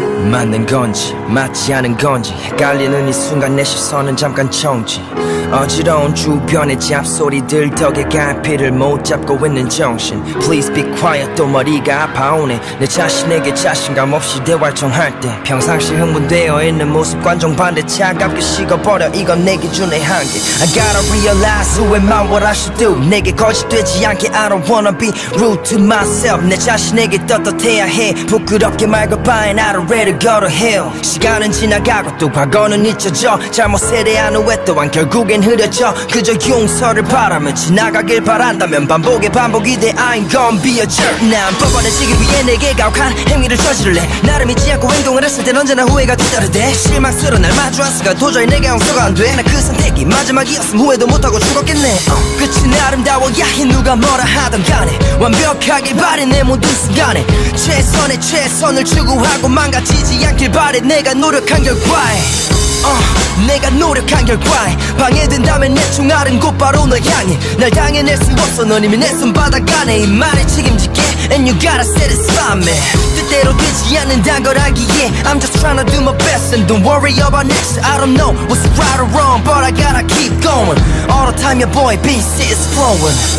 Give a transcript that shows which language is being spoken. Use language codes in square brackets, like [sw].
[ko] 맞는 건지 맞지 않은 건지 헷갈리는 이 순간 내 시선은 잠깐 정지. 어지러운 주변의 잡소리들 덕에 갈피를 못 잡고 있는 정신. [en] Please be quiet. [ko] 또 머리가 아파오네. 내 자신에게 자신감 없이 대화 좀 할 때 평상시 흥분되어 있는 모습 관종 반대 차갑게 식어버려. 이건 내 기준의 한계. [en] I gotta realize who am I, what I should do. [ko] 내게 거짓되지 않게. [en] I don't wanna be rude to myself. [ko] 내 자신에게 떳떳해야 해. 부끄럽게 말고 바에 나를 [en] ready go to hell. [ko] 시간은 지나가고 또 과거는 잊혀져. 잘못에 대한 후회 또한 결국 속엔 흐려져. 그저 용서를 바라며 지나가길 바란다면 반복에 반복이 돼. [en] I ain't gonna be a jerk. [ko] 난 뻔뻔해지기 위해 내게 가혹한 행위를 저지를래. 나를 믿지 않고 행동을 했을 땐 언제나 후회가 뒤따르대. 실망스러운 날 마주한 순간 도저히 내게 용서가 안 돼. 나 그 선택이 마지막이었음 후회도 못하고 죽었겠네. 끝은 아름다워야 해. 누가 뭐라 하던 간에 완벽하게 바래 내 모든 순간에 최선의 최선을 추구하고 망가지지 않길 바래. 내가 노력한 결과에 내가 노력한 결과에 방해된다면 내 총알은 곧바로 널 향해. 날 당해낼 수 없어. 넌 이미 내 손바닥 안에 이 말에 책임질게. [en] And you gotta satisfy me. [ko] 뜻대로 되지 않는다는 걸 알기에 [en] I'm just trying to do my best. And don't worry about next. I don't know what's right or wrong, but I gotta keep going. All the time your boy BC is flowing.